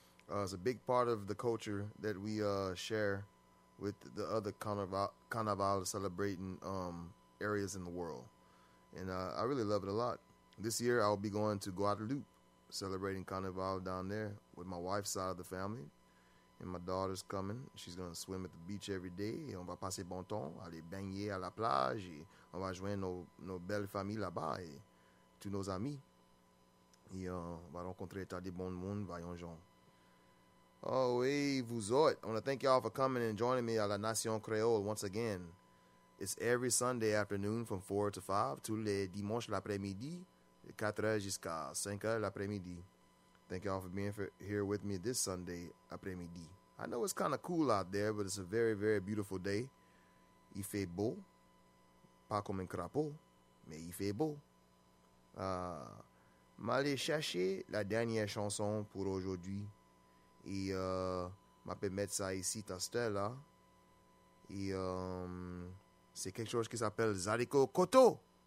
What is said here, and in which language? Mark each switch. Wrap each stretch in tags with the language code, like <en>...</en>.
<en>It's a big part of the culture that we share with the other carnival celebrating areas in the world. And I really love it a lot. This year, I'll be going to Guadeloupe, celebrating Carnival down there with my wife's side of the family. And my daughter's coming. She's going to swim at the beach every day.</en> <fr>Et on va passer bon temps, aller baigner à la plage. Et on va joindre nos belles familles là-bas et tous nos amis. Et on va rencontrer tant de bon monde, voyons gens. Oh, hey, vous autres.</fr> <en>I want to thank y'all for coming and joining me à La Nation Creole once again. It's every Sunday afternoon from 4 to 5,</en> <fr>tous les dimanches l'après-midi, 4h jusqu'à 5h l'après-midi.</fr> <en>Thank y'all for being here with me this Sunday après-midi. I know it's kind of cool out there, but it's a very, very beautiful day.</en> <fr>Il fait beau. Pas comme un crapaud, mais il fait beau. M'aller chercher la dernière chanson pour aujourd'hui. Et m'a pu mettre ça ici, ta stèle là. Et c'est quelque chose qui s'appelle Zarico Koto.</fr>